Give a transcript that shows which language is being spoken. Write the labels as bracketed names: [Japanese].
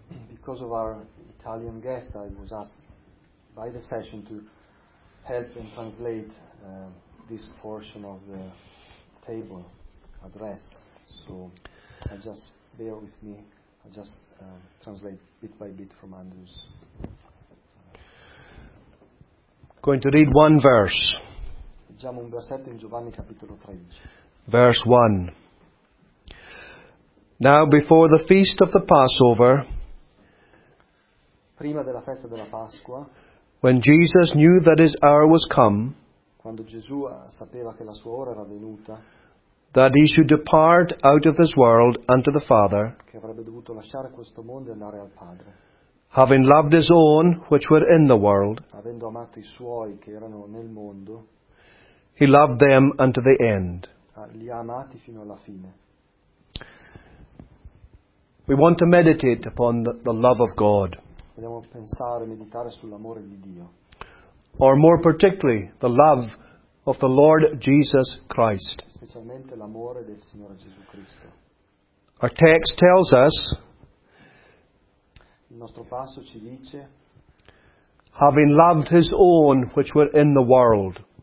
[English] Because of our Italian guest, I was asked by the session to help and translate this portion of the table address. So I just bear with me. I just translate bit by bit from Andrew's. Going to read one verse. [Italian] Leggiamo un versetto in Giovanni capitolo 13. [English] Verse 1. Now before the feast of the Passover, [Italian] prima della festa della Pasqua, [English] when Jesus knew that his hour was come, [Italian] quando Gesù sapeva che la sua ora era venuta, [English] that he should depart out of this world unto the Father, [Italian] che avrebbe dovuto lasciare questo mondo e andare al Padre, [English] having loved his own which were in the world, [Italian] avendo amato i suoi che erano nel mondo, [English] he loved them unto the end. [Italian] Li ha amati fino alla fine. [English] We want to meditate upon the love of God. [Italian] Vogliamo pensare, meditare sull'amore di Dio. [English] Or more particularly, the love of the Lord Jesus Christ. [Italian] Specialmente l'amore del Signore Gesù Cristo. [English] Our text tells us, [Italian] il nostro passo ci dice, [English] having loved his own which were in the world,